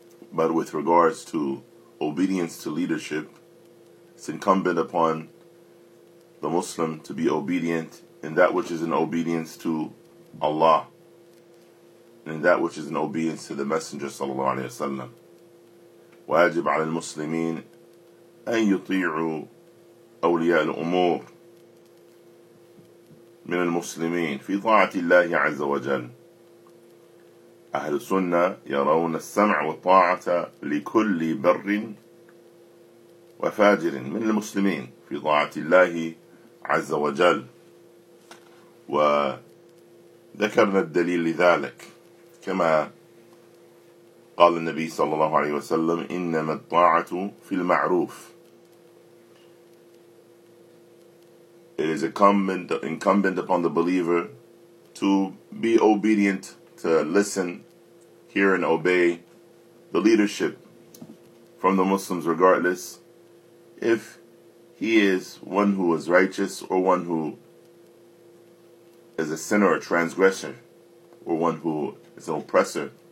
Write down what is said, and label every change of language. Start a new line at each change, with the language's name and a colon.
English: But with regards to obedience to leadership, it's incumbent upon the Muslim to be obedient in that which is an obedience to Allah, and in that which is an obedience to the Messenger sallallahu alayhi wa sallam.
Arabic: وَاجِبْ عَلَى الْمُسْلِمِينَ أن يطيعوا أولياء الأمور من المسلمين في طاعة الله عز وجل. أهل السنة يرون السمع والطاعة لكل بر وفاجر من المسلمين في طاعة الله عز وجل. وذكرنا الدليل لذلك، كما قال النبي صلى الله عليه وسلم: إنما الطاعة في المعروف.
English: It is incumbent upon the believer to be obedient, to listen, hear, and obey the leadership from the Muslims, regardless if he is one who is righteous or one who is a sinner or transgressor or one who is an oppressor.